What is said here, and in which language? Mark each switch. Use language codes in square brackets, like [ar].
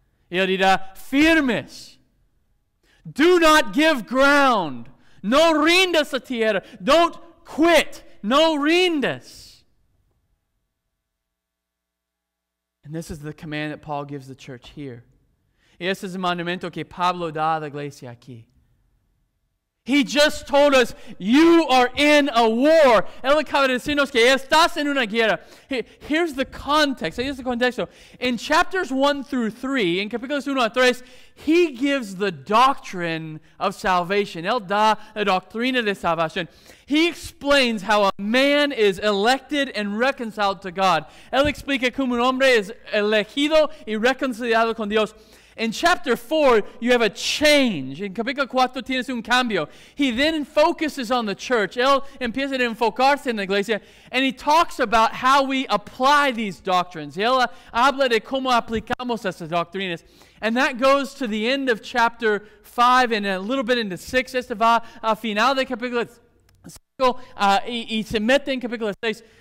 [es] Y él dirá, "Firmes. [en] Do not give ground. [es] No rindas a tierra. [en] Don't quit. [es] No rindas." [en] And this is the command that Paul gives the church here. [es] Y ese es el mandamiento que Pablo da a la iglesia aquí. [en] He just told us, you are in a war. [es] Él acaba de decirnos que estás en una guerra. [en] Here's the context. Here's the context. In chapters 1 through 3, in [es] capítulos 1 a 3, [en] he gives the doctrine of salvation. [es] Él da la doctrina de salvación. [en] He explains how a man is elected and reconciled to God. [es] Él explica cómo un hombre es elegido y reconciliado con Dios. [en] In chapter 4, you have a change. In [es] capítulo 4, tienes un cambio. [en] He then focuses on the church. [es] Él empieza a enfocarse en la iglesia. [en] And he talks about how we apply these doctrines. [es] Él habla de cómo aplicamos esas doctrinas. [en] And that goes to the end of chapter 5 and a little bit into 6. [es] Esto va a final de capítulo 5 y se mete en capítulo 6.